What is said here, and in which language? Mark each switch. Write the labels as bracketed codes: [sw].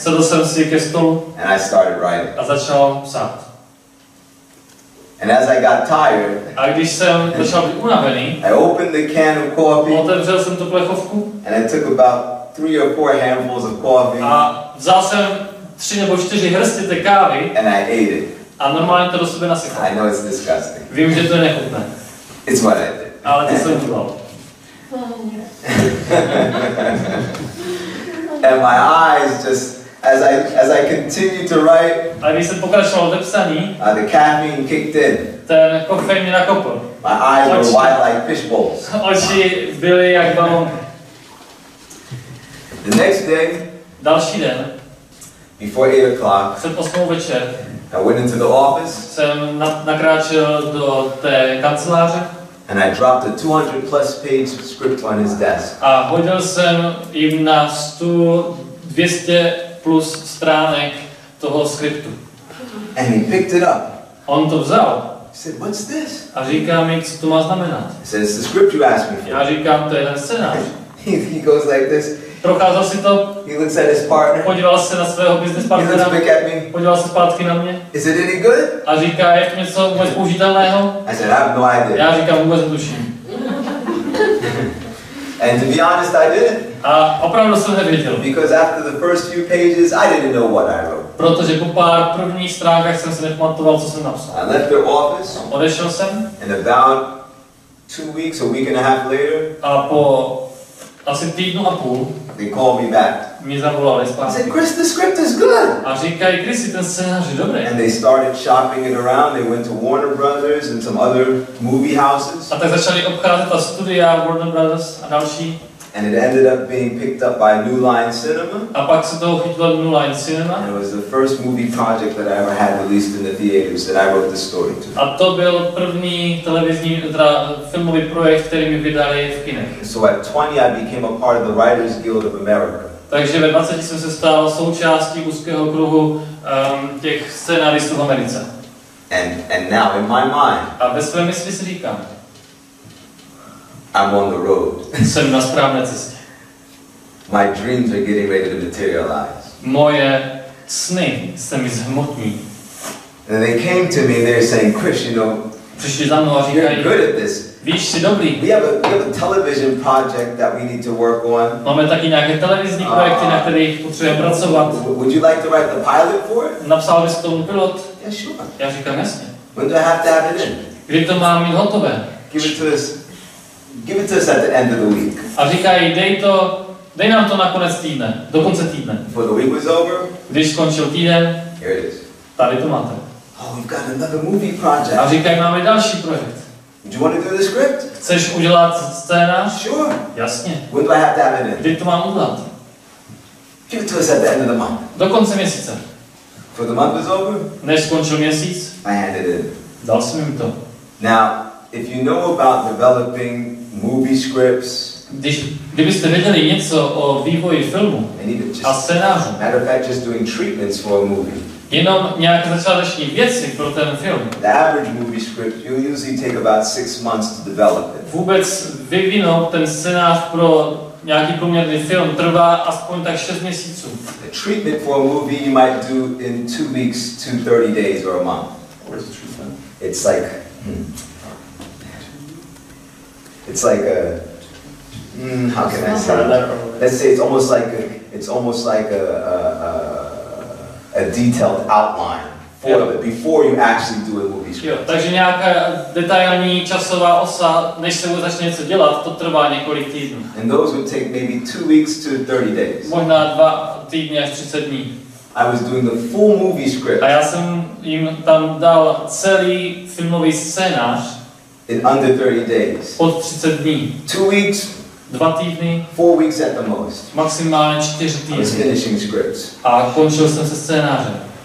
[cs] Sedl jsem si ke stolu. [en] And I started writing. [cs] A začal psát. [en] And as I got tired, [cs] a když jsem začal být unavený, [en] I opened the can of coffee. [cs] Otevřel jsem tu plechovku. [en] And I took about 3 or 4 handfuls of coffee. [cs] A vzal jsem 3 nebo 4 hrsty té kávy. [en] And I ate it. [cs] A normálně to do sebe nasypal. [en] I know it's disgusting. [cs] Vím, že to je nechutné. [en] It's what I did. [cs] Ale to jsem dělal. [en] And my eyes just as I continued to write, [cs] a když jsem pokračoval ve psaní, [en] the caffeine kicked in. [cs] ten kofein mě nakopl. [en] My eyes were wide like fish bowls. [cs] Oči byly jak balonky. [en] The next day, [cs] další den, [en] before 8 o'clock, [cs] před 8 večer, [en] I went into the office. [cs] Jsem nakráčel do té kanceláře. [en] And I dropped a 200 plus page script on his desk. [cs] A hodil jsem jim na stůl 200 plus stránek toho skriptu. [en] And he picked it up. [cs] On to vzal. [en] He said, "What's this?" [cs] A říká mi, co to má znamenat. [en] He says, "It's the script you asked me for." [cs] Já říkám, to je ten scénář. [en] He goes like this. [cs] Procházel si to. [en] He looks at his partner. [cs] Podíval se na svého business partnera. [en] He looks back at me. [cs] Podíval se zpátky na mě. [en] Is it any good? [cs] A říká, je to něco vůbec použitelného? [en] I said, "I have no idea." [cs] Já říkám, vůbec netuším. [en] And to be honest, I didn't. [cs] A opravdu jsem nevěděl. [en] Because after the first few pages, I didn't know what I wrote. [cs] Protože po pár prvních stránkách jsem se nepamatoval, co jsem napsal. [en] I left their office. [cs] Odešel jsem. [en] And about 2 weeks, a week and a half later. [cs] A po asi týdnu a půl. [en] They called me back. [cs] Mě zavolali zpátky. [en] I said, "Chris, the script is good." [cs] A říkají, Chris, ten scénář je dobrý. [en] And they started shopping it around. They went to Warner Brothers and some other movie houses. [cs] A tak začali obcházet ta studia Warner Brothers a další. [en] And it ended up being picked up by New Line Cinema. [cs] A pak se to chytlo New Line Cinema. [en] And it was the first movie project that I ever had released in the theaters that I wrote the story to. [cs] A to byl první televizní, teda filmový projekt, který mi vydali v kinech. [en] So at 20 I became a part of the Writers Guild of America. [cs] Takže ve 20 jsem se stal součástí úzkého kruhu těch scénaristů v Americe. [en] And now in my mind. [cs] A ve své mysli si říkám. [en] I'm on the road. [cs] Jsem na správné cestě. [en] My dreams are getting ready to materialize. [cs] Moje sny se mi zhmotní. [en] And they came to me and they're saying, "Chris, you know, [cs] přišli za mnou a říkají, [en] you're good at this. [cs] Víš, jsi dobrý. [en] We have a television project that we need to work on. [cs] Máme taky nějaké televizní projekty, na kterých potřebujeme pracovat. [en] Would you like to write the pilot for it?" [cs] Napsal bys tomu pilot? [en] Yeah, sure. [cs] Já říkám, jasně. [en] When do I have to have it in? [cs] Kdy to mám mít hotové? [en] Give it to us. Give it to us at the end of the week. [cs] A říkají, dej nám to na konec týdne, do konce týdne. [en] Before the week was over. [cs] Když skončil týden. [en] Here it is. [cs] Tady to máte. [en] Oh, we've got another movie project. [cs] A říkají, máme další projekt. [en] Do you want to do the script? [cs] Chceš udělat scénář? [en] Sure. [cs] Jasně. [en] When do I have to have it in? [cs] Kdy to mám udělat? [en] Give it to us at the end of the month. [cs] Do konce měsíce. [en] Before the month was over. [cs] Než skončil měsíc. [en] I handed it in. [cs] Dal jsem jim to. [en] Now, if you know about developing movie scripts. [cs] Kdybyste věděli něco o vývoji filmu a scénáře. [en] Matter of fact, just doing treatments for a movie. [cs] Jenom nějaké začáteční věci pro ten film. [en] The average movie script, you'll usually take about 6 months to develop it. [cs] Vůbec vyvinout ten scénář pro nějaký průměrný film trvá aspoň tak 6 měsíců. [en] A treatment for a movie you might do in 2 weeks to 30 days or a month. What is the treatment? It's like... It's like a, how can I say it? Let's say it's almost like a detailed outline for the before you actually do a movie script. [cs] Jo, takže nějaká detailní časová osa, než se začne něco dělat, to trvá několik týdnů. [en] And those would take maybe 2 weeks to 30 days. [cs] Možná 2 týdny až 30 dní. [en] I was doing the full movie script. [cs] A já jsem jim tam dal celý filmový scénář. [en] In under 30 days. [cs] Pod 30 dní. [en] 2 weeks. [cs] 2 týdny. [en] 4 weeks at the most. [cs] Maximálně 4 týdny. [en] I was finishing scripts. [cs] A končil jsem se scénářem.